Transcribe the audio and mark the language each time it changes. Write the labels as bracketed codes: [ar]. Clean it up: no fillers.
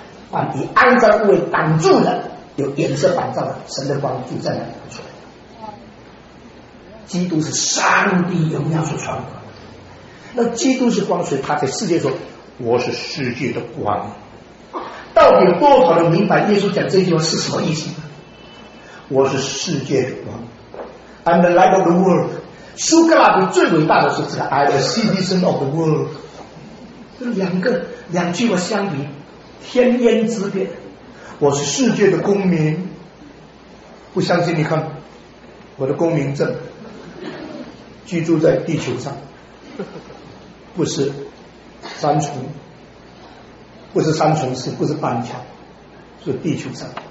[zh] 把你肮脏物挡住了，有颜色反照的，神的光就在那里出来。基督是上帝荣耀所创造的，那基督是光，所以他在世界说我是世界的光。到底有多少人明白耶稣讲这句话是什么意思？我是世界的光。 [en] I'm the light of the world. [zh] 苏格拉底最伟大的是指 [en] I'm the citizen of the world. [zh] 这两句话相比天渊之别。我是世界的公民，不相信你看我的公民证，居住在地球上，不是三重，不是三重市，不是板桥，是地球上。